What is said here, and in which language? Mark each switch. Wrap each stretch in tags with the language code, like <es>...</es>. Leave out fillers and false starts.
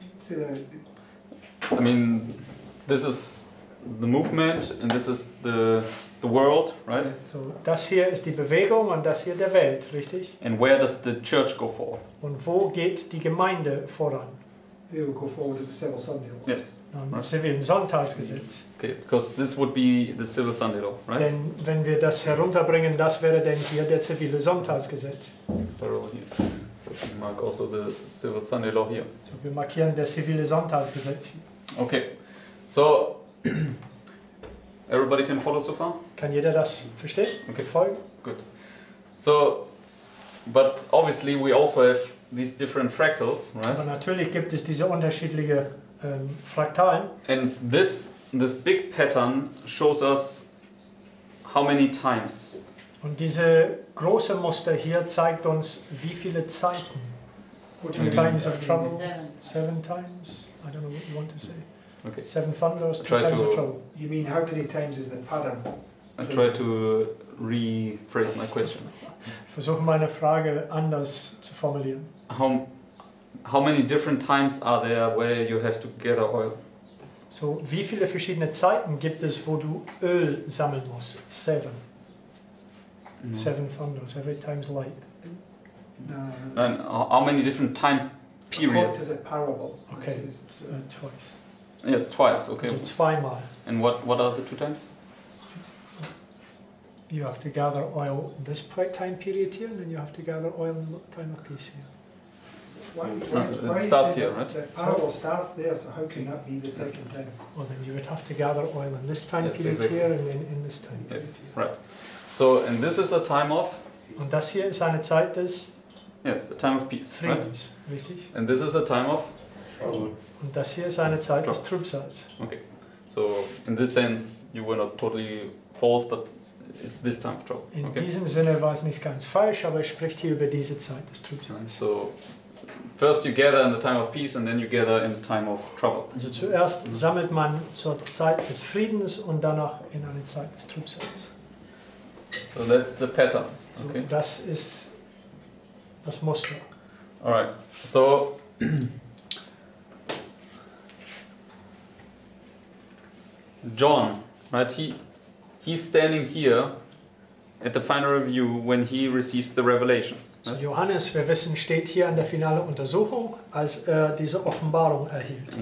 <en>I mean, this is the movement and this is the world, right?</en> <de>So, das hier ist die Bewegung und das hier der Welt, richtig?</de> <en>And where does the church go forth?</en> <de>Und wo geht die Gemeinde voran?</de> <en>They will go forward with the civil Sunday law. Yes. Right. Civil Sonntagsgesetz. Okay, because this would be the civil Sunday law, right?</en> <de>Denn wenn wir das herunterbringen, das wäre denn hier der zivile Sonntagsgesetz.</de> <en>We mark also the civil Sunday law here.</en> <de>So wir markieren der zivile Sonntagsgesetz.</de> <en>Okay, so everybody can follow so far?</en> <de>Kann jeder das verstehen?</de> <en>Okay,</en> <de>folgen.</de> <en>Good. So, but obviously we also have these different fractals, right?</en> <de>Aber natürlich gibt es diese unterschiedliche Fraktalen.</de> <en>And this big pattern shows us how many times.</en> <de>Und diese große Muster hier zeigt uns, wie viele Zeiten.</de> <en>Two times of trouble. Seven times. I don't know what you want to say. Okay. Seven thunders. Two times of trouble. You mean how many times is the pattern? I try to rephrase my question.</en> <de>Versuche meine Frage anders zu formulieren.</de> <en>How many different times are there where you have to gather oil?</en> <de>So, wie viele verschiedene Zeiten gibt es, wo du Öl sammeln musst?</de> <en>Seven. No. Seven thunders, every time's light. No. And how many different time periods? According to the parable. Okay, twice. Yes, twice, okay.</en> <de>So, zweimal.</de> <en>And what are the two times? You have to gather oil this time period here, and then you have to gather oil in time of peace here. Why it starts here, right? The parable starts there, so how can that be the second time? Well, then you would have to gather oil in this time period exactly. Here, and then in this time period yes, here. Right. So, and this is a time of?</en> <de>Und das hier ist eine Zeit des?</de> <en>Yes, a time of peace.</en> <de>Friedens,</de> <en>right?</en> <de>Richtig.</de> <en>And this is a time of? Trouble.</en> <de>Und das hier ist eine Zeit des Trübsals.</de> <en>Okay. So, in this sense, you were not totally false, but it's this time of trouble.</en> <de>In</de> <en>okay.</en> <de>Diesem Sinne war es nicht ganz falsch, aber es spricht hier über diese Zeit des Trübsals.</de> <en>And so, first you gather in the time of peace, and then you gather in the time of trouble.</en> <de>Also zuerst sammelt man zur Zeit des Friedens und danach in eine Zeit des Trübsals.</de> <en>So that's the pattern. So okay.</en> <de>Das ist das Muster.</de> <en>All right. So John, right? He's standing here at the final review when he receives the revelation. Right?</en> <de>So Johannes, wir wissen, steht hier an der finalen Untersuchung, als er diese Offenbarung erhielt.</de>